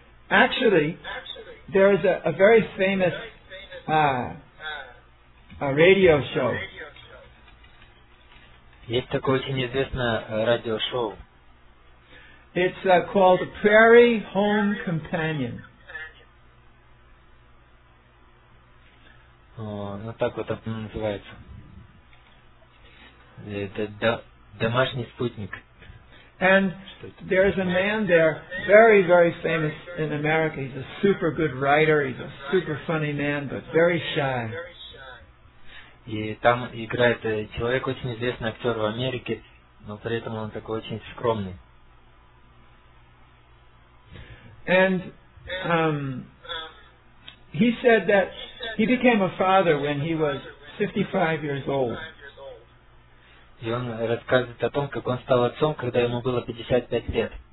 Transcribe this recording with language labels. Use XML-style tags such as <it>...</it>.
<en>Actually, there is a very famous a radio show.</en> <ru>Есть такое очень известное радиошоу.</ru> <en>It's called Prairie Home Companion.</en> <ru>Ну так вот оно называется. Это домашний спутник.</ru> <en>And there is a man there, very, very famous in America. He's a super good writer. He's a super funny man, but very shy.</en> <ru>И там играет человек, очень известный актер в Америке, но при этом он такой очень скромный.</ru> <en>And he said that he became a father when he was 55 years old.</en> <ru>И он рассказывает о том, как он стал отцом, когда ему было 55 лет.</ru>